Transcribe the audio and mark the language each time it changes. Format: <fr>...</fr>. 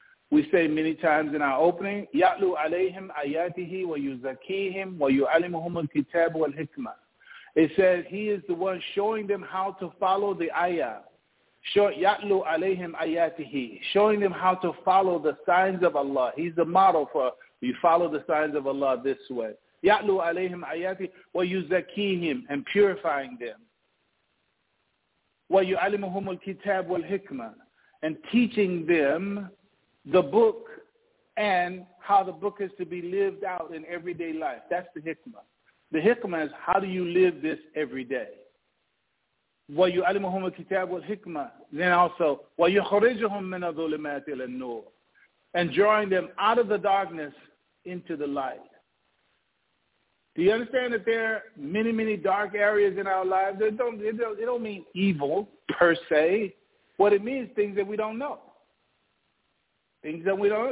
<en>We say many times in our opening,</en> <ar>يَعْلُوا عَلَيْهِمْ آيَاتِهِ وَيُزَكِّيهِمْ وَيُعَلِّمُهُمُ الْكِتَابُ وَالْحِكْمَةِ.</ar> <en>It says he is the one showing them how to follow the ayah.</en> <ar>يَعْلُوا عَلَيْهِمْ آيَاتِهِ,</ar> <en>showing them how to follow the signs of Allah. He's the model for you follow the signs of Allah this way.</en> <ar>يَعْلُوا عَلَيْهِمْ آيَاتِهِ وَيُزَكِّيهِمْ,</ar> <en>and purifying them.</en> <ar>وَيُعَلِّمُهُمُ الْكِتَابُ وَالْحِكْمَةِ,</ar> <en>and teaching them the book and how the book is to be lived out in everyday life. That's the hikmah. The hikmah is how do you live this every day?</en> <ar>وَيُعَلِّمُهُمُ الْكِتَابُ وَالْحِكْمَةِ.</ar> <en>Then also,</en> <ar>وَيُخْرِجُهُمْ مِنَ الظُّلُمَاتِ إِلَى النُّورِ.</ar> <en>and drawing them out of the darkness into the light. Do you understand that there are many, many dark areas in our lives? It don't mean evil per se. What it means, things that we don't know. Things that we don't know.</en>